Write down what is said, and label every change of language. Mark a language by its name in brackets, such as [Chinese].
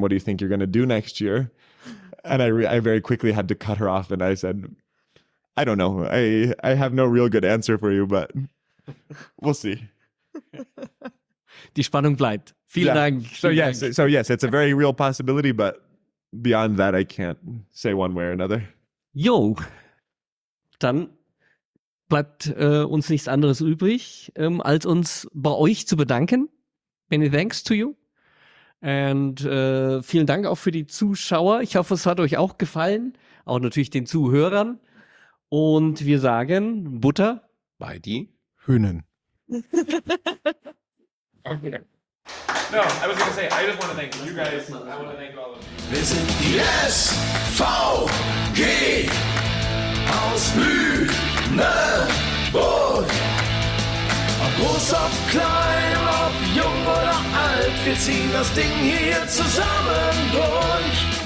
[English] What do you think you're going to do next year? And I very quickly had to cut her off. And I said, I don't know. I have no real good answer for you, but we'll see. [German] Die Spannung bleibt. Vielen yeah. Dank. [English] So yes, so yes, it's a very real possibility. But beyond that, I can't say one way or another. [German] Jo, dann bleibt uns nichts anderes übrig, als uns bei euch zu bedanken. [English] Many thanks to you. [German] Und vielen Dank auch für die Zuschauer. Ich hoffe, es hat euch auch gefallen. Auch natürlich den Zuhörern. Und wir sagen Butter bei die Hühnen. [English] No, I was going to say, I just want to thank you guys. I want to thank all of you. [German] Wir sind die SVG aus Lüneburg. Groß, ob klein, ob jung oder alt, wir ziehen das Ding hier zusammen durch.